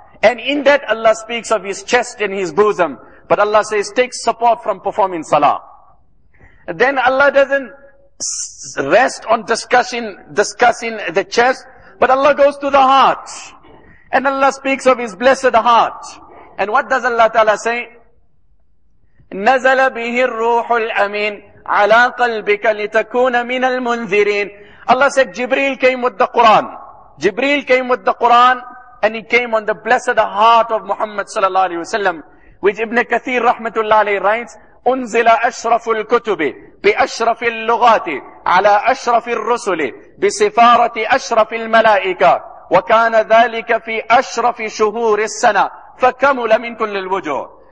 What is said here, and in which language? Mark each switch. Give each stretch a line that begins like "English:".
English: And in that Allah speaks of his chest and his bosom. But Allah says, take support from performing salah. Then Allah doesn't rest on discussing the chest, but Allah goes to the heart. And Allah speaks of his blessed heart. And what does Allah Ta'ala say?
Arabic: نَزَلَ بِهِ الرُّوحُ الْأَمِينَ عَلَىٰ قَلْبِكَ لِتَكُونَ مِنَ الْمُنذِرِينَ.
English: Allah said, Jibreel came with the Quran. Jibreel came with the Quran, and he came on the blessed heart of Muhammad sallallahu alayhi wasallam, which Ibn Kathir rahmatullah alayhi writes,
Arabic: أُنزِلَ أَشْرَفُ الْكُتُبِ بِأَشْرَفِ اللُّغَاتِ عَلَى أَشْرَفِ الرُّسُلِ بِسِفَارَةِ أَشْرَفِ الْمَلَائِكَةِ وَكَانَ ذَلِكَ فِي أَشْرَفِ شُهُورِ السَّنَةِ فَكَمُلَ مِنْ كُلِّ الْوُجُوهِ.